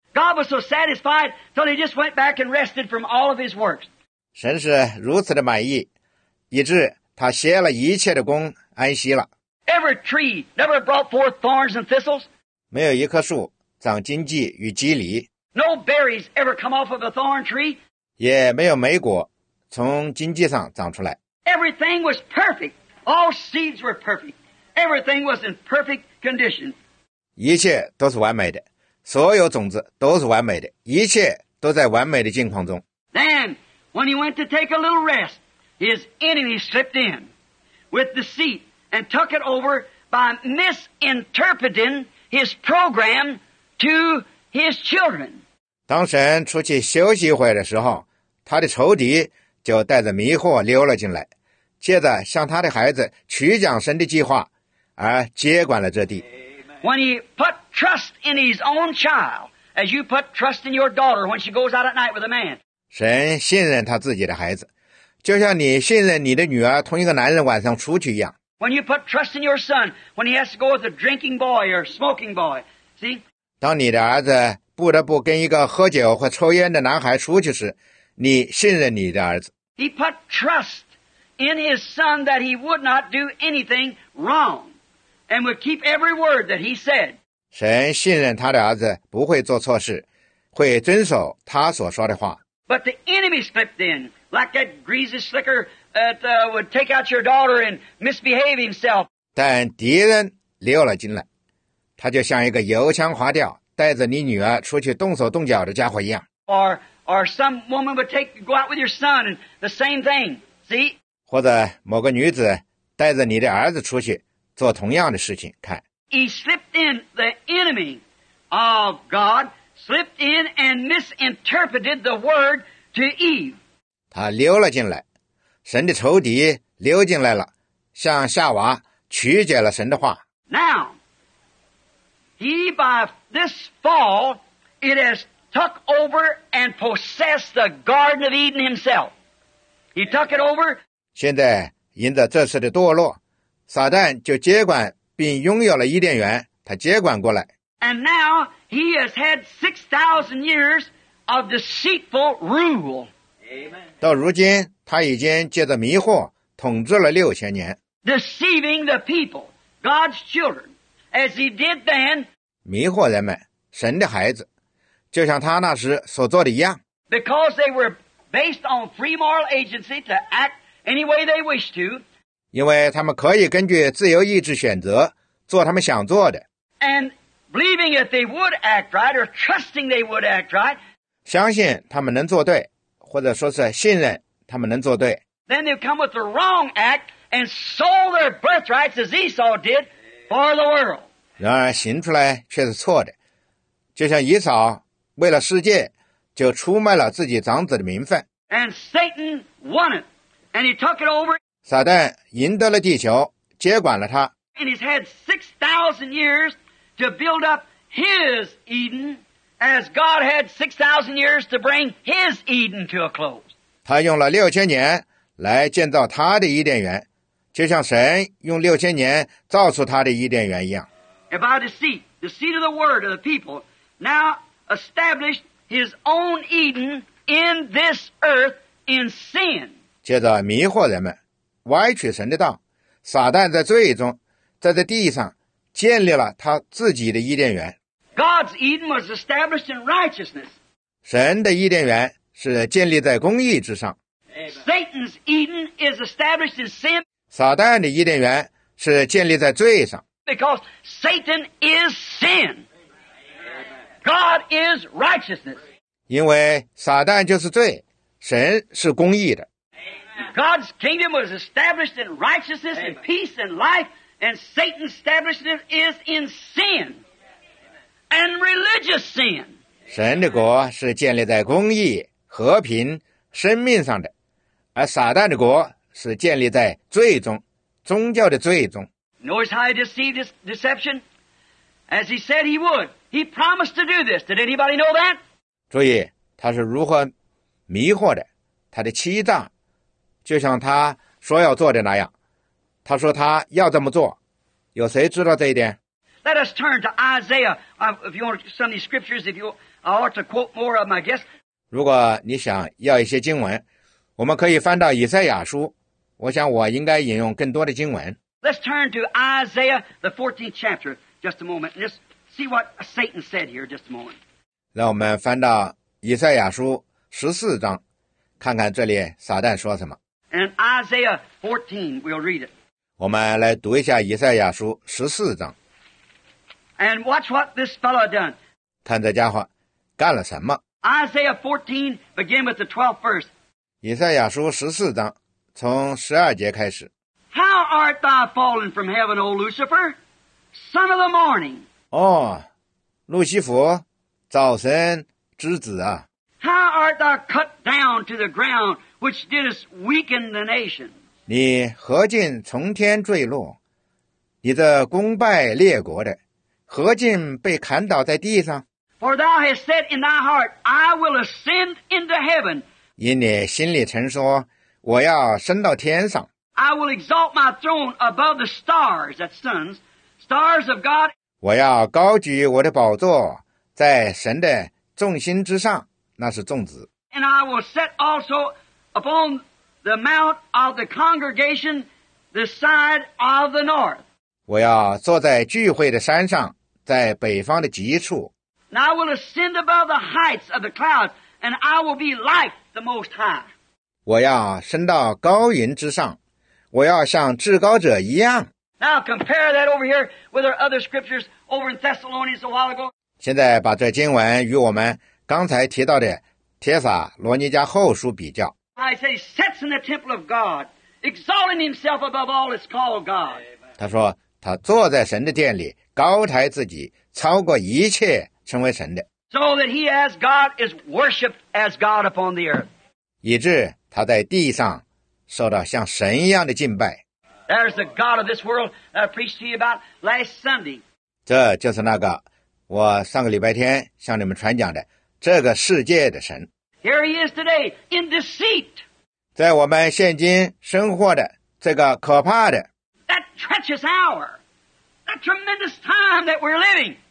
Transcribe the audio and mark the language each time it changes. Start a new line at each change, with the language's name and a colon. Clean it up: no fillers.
English: God was so satisfied till he just went back and rested from all of his works.
Chinese: 神是如此的满意，以致他歇了一切的工，安息了。
English: Every tree never brought forth thorns and thistles.
Chinese: 没有一棵树长荆棘与棘藜。
English: No berries ever come off of a thorn tree.
Chinese: 也没有莓果从荆棘上长出来。
English: Everything was perfect. All seeds were perfect. Everything was in perfect condition.
Chinese: 一切都是完美的。所有种子都是完美的，一切都在完美的境况中。
English: Then, when he went to take a little rest, his enemy slipped in with deceit and took it over by misinterpreting his program to his children.
Chinese: 当神出去休息一会的时候，他的仇敌就带着迷惑溜了进来，接着向他的孩子取讲神的计划，而接管了这地。
English: When he put trust in his own child, as you put trust in your daughter when she goes out at night with a man.
Chinese: 神信任他自己的孩子，就像你信任你的女儿同一个男人晚上出去一样。
English: When you put trust in your son, when he has to go with a drinking boy or smoking boy, see?
Chinese: 当你的儿子不得不跟一个喝酒或抽烟的男孩出去时，你信任你的儿子。
English: He put trust in his son that he would not do anything wrong. And would keep every word that he said.
Chinese: 神信任他的儿子不会做错事，会遵守他所说的话。
English: But the enemy slipped in, like that greasy slicker that would take out your daughter and misbehave himself.
Chinese: 但敌人溜了进来，他就像一个油腔滑调，带着你女儿出去动手动脚的家伙一样。
English: Or some woman would take go out with your son, and the same thing. See?
Chinese: 或者某个女子带着你的儿子出去。做同样的事情，看。
English: He slipped in, the enemy of God slipped in and misinterpreted the word to Eve.
Chinese: 他溜了进来，神的仇敌溜进来了，向夏娃曲解了神的话。
English: Now, he by this fall, it has took over and possessed the Garden of Eden himself. He took it over.
Chinese: 现在，因着这次的堕落。撒旦就接管并拥有了伊甸园，他接管过来。
English: And now he has had 6,000 years of deceitful rule.
Chinese: 到如今他已经借着迷惑统治了六千年。
English: Deceiving the people, God's children, as he did then.
Chinese: 迷惑人们，神的孩子，就像他那时所做的一样。
English: Because they were based on free moral agency to act any way they wish to.
Chinese: 因为他们可以根据自由意志选择做他们想做的。
English: And believing that they would act right or trusting they would act right.
Chinese: 相信他们能做对，或者说是信任他们能做对。
English: Then they come with the wrong act. And sold their birthrights as Esau did for the world.
Chinese: 然而行出来却是错的，就像以扫为了世界就出卖了自己长子的名分。
English: And Satan won it, and he took it over.
Chinese: 撒旦赢得了地球，接管了它。
English: And he's had 6,000 years to build up his Eden, as God had 6,000 years to bring his Eden to a close.
Chinese: 他用了六千年来建造他的伊甸园。就像神用六千年造出他的伊甸园一样。
English: And by deceit, the seed of the word of the people now established his own Eden in this earth in sin.
Chinese: 接着迷惑人们，歪曲神的道，撒旦在罪中，在这地上建立了他自己的伊甸园。
English: God's Eden was established in righteousness.
Chinese: 神的伊甸园是建立在公义之上。
English: Satan's Eden is established in sin.
Chinese: 撒旦的伊甸园是建立在罪上。
English: Because Satan is sin. God is righteousness.
Chinese: 因为撒旦就是罪，神是公义的。
English: God's kingdom was established in righteousness and peace and life, and Satan's establishment is in sin and religious sin.
Chinese: 神的国是建立在公义、和平、生命上的，而撒旦的国是建立在罪中，宗教的罪中。
English: Notice how he deceived his deception, as he said he would. He promised to do this. Did anybody know that?
Chinese: 注意，他是如何迷惑的，他的欺诈，就像他说要做的那样。他说他要这么做，有谁知道这一点
English: ？Let us turn to Isaiah. If you want some of these scriptures, if you, I ought to quote more of them, I guess.
Chinese: 如果你想要一些经文。我们可以翻到以赛亚书，我想我应该引用更多的经文。
English: Let's turn to Isaiah, the 14th chapter, just a moment. Let's see what Satan said here, just a moment.
Chinese: 让我们翻到以赛亚书14章，看看这里撒旦说什么。
English: And Isaiah 14, we'll read it.
Chinese: 我们来读一下以赛亚书14章。
English: And watch what this fellow done.
Chinese: 看这家伙干了什么。
English: Isaiah 14 began with the 12th verse.
Chinese: 以赛亚书十四章从十二节开始。
English: How art thou fallen from heaven, O Lucifer, son of the morning?
Chinese: 哦，路西弗，早晨之子啊。
English: How art thou cut down to the ground, which didst weaken the nation?
Chinese: 你何竟从天坠落？你这功败列国的，何竟被砍倒在地上
English: ？For thou hast said in thy heart, I will ascend into heaven.
Chinese: 因你心里曾说，我要升到天上。
English: I will exalt my throne above the stars, that suns, stars of God.
Chinese: 我要高举我的宝座在神的众星之上，那是众子。
English: And I will set also upon the mount of the congregation the side of the north.
Chinese: 我要坐在聚会的山上，在北方的极处。
English: And I will ascend above the heights of the clouds, and I will be like. The Most High.
Chinese: 我要升到高云之上，我要像至高者一样。
English: Now compare that over here with our other scriptures over in Thessalonians a while ago.
Chinese: 现在把这经文与我们刚才提到的帖撒罗尼迦后书比较。
English: I say sits in the temple of God, exalting himself above all that's called God.
Chinese: 他说他坐在神的殿里，高抬自己，超过一切成为神的。
English: So that he as God is worshipped as God upon the earth.
Chinese: 以致他在地上受到像神一样的敬拜。
English: There's the God of this world that I preached to you about last Sunday.
Chinese: 这就是那个我上个礼拜天向你们传讲的这个世界的神。
English: Here he is today in deceit.
Chinese: 在我们现今生活的这个可怕的。
English: That treacherous hour, that tremendous time that we're living.